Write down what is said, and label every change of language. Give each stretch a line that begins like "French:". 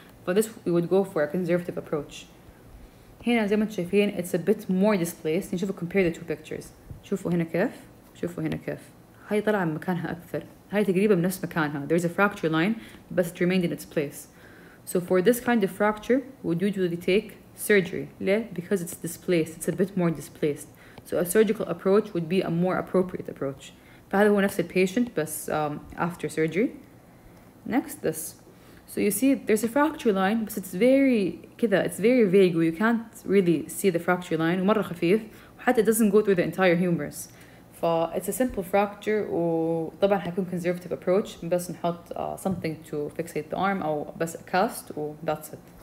English: For this we would go for a conservative approach.
Arabic: هنا زي ما انتم شايفين
English: it's a bit more displaced.
Arabic: نشوف
English: compare the two pictures.
Arabic: شوفوا هنا كيف, شوفوا هنا كيف, هاي طلع من مكانها أكثر, هاي تقريبا بنفس مكانها.
English: There's a fracture line but it remained in its place. So for this kind of fracture would usually take surgery. ليه؟ Because it's displaced, it's a bit more displaced. So a surgical approach would be a more appropriate approach.
Arabic: فهذا هو نفس الpatient بس
English: after surgery. Next this. So you see there's a fracture line but it's very كذا, it's very vague where you can't really see the fracture line,
Arabic: ومرة خفيف وحتى
English: it doesn't go through the entire humerus. It's a simple fracture
Arabic: وطبعا حيكون
English: conservative approach,
Arabic: بس نحط
English: something to fixate the arm أو بس a cast و that's it.